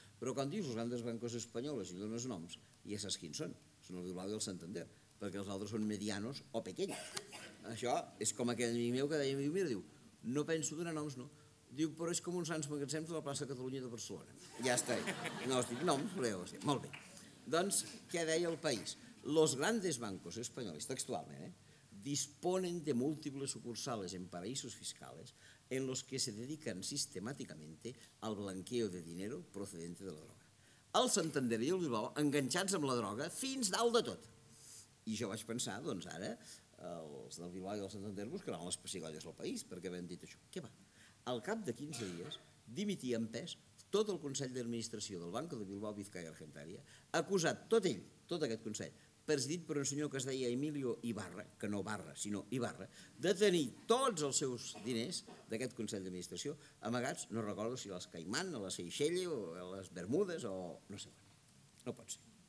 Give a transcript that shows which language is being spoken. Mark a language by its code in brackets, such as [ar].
[ca] Però quan dius [es] «Los grandes bancos españoles» [ca] i dones noms, ja saps quins són. Són el Bilbao i el Santander, perquè els altres són [es] medianos o pequeños. [ca] Això és com aquell amic meu que deia, mira, diu, no penso donar noms, no. Diu, però és com uns sants magatzems de la plaça Catalunya de Barcelona. Ja està, no els dic noms, però ja ho sé. Molt bé. Doncs, què deia El País? [es] Los grandes bancos españoles, textualment, disponen de múltiples sucursales en paraísos fiscales en los que se dedican sistemàticament al blanqueo de dinero procedente de la droga. [ca] El Santander i el Bilbao enganxats amb la droga fins dalt de tot. I jo vaig pensar, doncs ara, els del Bilbao i el Santander buscaran les pessigolles al país perquè havien dit això. Què va? Al cap de 15 dies, dimitia en pes tot el Consell d'Administració del Banco de Bilbao, Vizcaya Argentaria, acusat tot ell, tot aquest Consell, presidit per un senyor que es deia Emilio Ibarra, que no Barra, sinó Ibarra, de tenir tots els seus diners d'aquest Consell d'Administració amagats, no recordo si als Caimán, a la Seychelles, o a les Bermudes, o no sé on. No pot ser.